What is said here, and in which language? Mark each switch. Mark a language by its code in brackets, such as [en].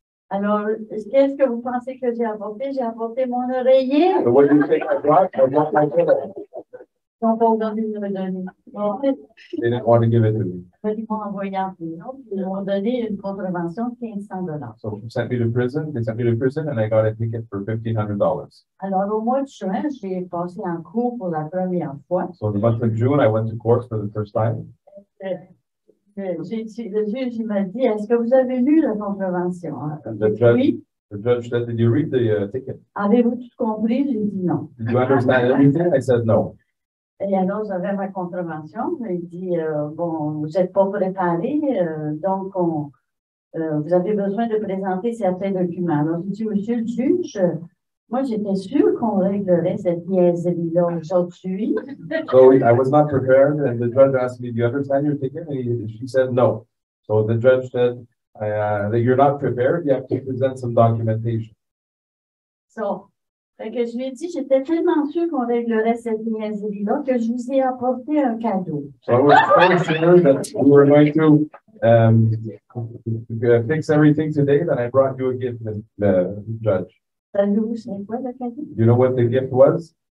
[fr] Alors, qu'est-ce que vous pensez que j'ai apporté? J'ai apporté mon oreiller. [en] What do you think I brought? I brought my pillow. [fr] Donc, on va dormir. [en] They didn't want to give it to me. So they sent me to prison. They sent me to prison, and I got a ticket for $1,500. [fr] Alors au mois de juin, j'ai passé en cours pour la première fois. [en] So in the month of June, I went to court for the first time. [fr] Le juge m'a dit, est-ce que vous avez lu la contravention? Oui. [en] The judge said, did you read the ticket? [fr] Avez-vous tout compris? J'ai dit non. [en] Did you understand everything? I said no. [fr] Et alors j'avais ma contravention. Il dit, bon, vous n'êtes pas préparé, donc on, vous avez besoin de présenter certains documents. Alors j'ai dit, monsieur le juge, moi, j'étais sûr qu'on réglerait cette niaiserie-là aujourd'hui. [en] So I was not prepared, and the judge asked me, do you understand your ticket? And she said, no. So the judge said, that you're not prepared, you have to present some documentation. [fr] So, que je lui ai dit, j'étais tellement sûr qu'on réglerait cette niaiserie-là que je vous ai apporté un cadeau. [en] So I was so sure that we were going to fix everything today, that I brought you a gift, the judge. Do you know what the gift was?